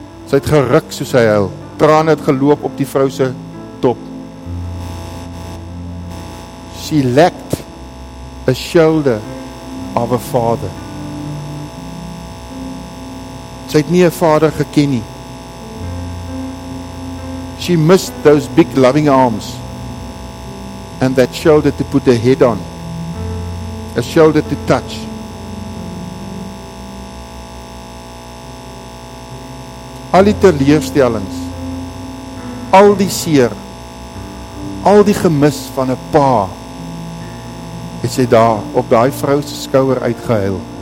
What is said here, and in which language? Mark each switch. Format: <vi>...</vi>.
<af>Sy het geruk soos sy huil. Trane het geloop op die vrou se top.</af> <en>She lacked a shoulder of a father.</en> <af>Sy het nie 'n vader geken nie.</af> <en>She missed those big loving arms and that shoulder to put a head on, a shoulder to touch.</en> <af>Al die teleurstellings, al die seer, al die gemis van 'n pa, het sy daar op daai vrou se skouer uitgehuil.</af>